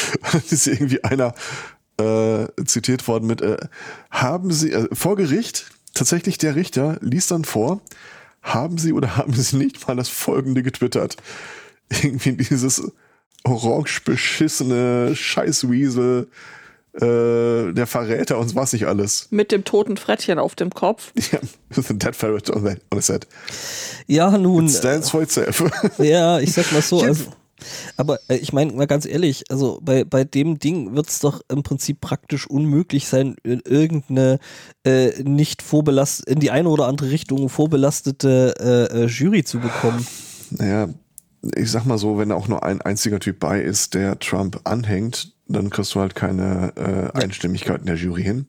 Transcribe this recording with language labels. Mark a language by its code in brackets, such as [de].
[de] Dann ist irgendwie einer zitiert worden mit, haben sie, vor Gericht, tatsächlich der Richter, liest dann vor, haben sie oder haben sie nicht mal das Folgende getwittert. Irgendwie dieses orange beschissene Scheißwiesel, der Verräter und was nicht alles. Mit dem toten Frettchen auf dem Kopf. [en] Ja, with a dead ferret on his head. [de] Ja, nun. [en] It stands for itself. [de] Ja, ich sag mal so. Also, aber ich meine mal ganz ehrlich, also bei dem Ding wird es doch im Prinzip praktisch unmöglich sein, irgendeine nicht vorbelastete, in die eine oder andere Richtung vorbelastete Jury zu bekommen. Naja, ich sag mal so, wenn da auch nur ein einziger Typ bei ist, der Trump anhängt, dann kriegst du halt keine Einstimmigkeit in der Jury hin.